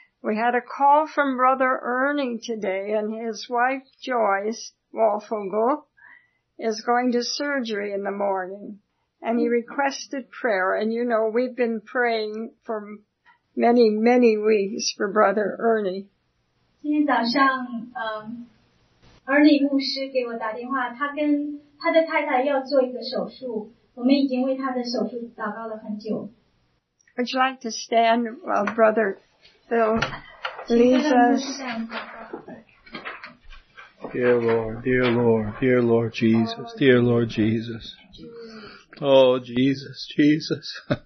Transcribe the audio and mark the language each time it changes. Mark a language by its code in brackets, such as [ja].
[en] We had a call from Brother Ernie today, and his wife Joyce Walfogel is going to surgery in the morning. And he requested prayer. And you know, we've been praying for many, many weeks for Brother Ernie. [zh] 今天早上, Ernie 牧师给我打电话, 他跟他的太太要做一个手术, 我们已经为他的手术祷告了很久。 [en] Would you like to stand while Brother Phil leads us? Dear Lord, dear Lord Jesus, dear Lord Jesus. Oh, Jesus, Jesus.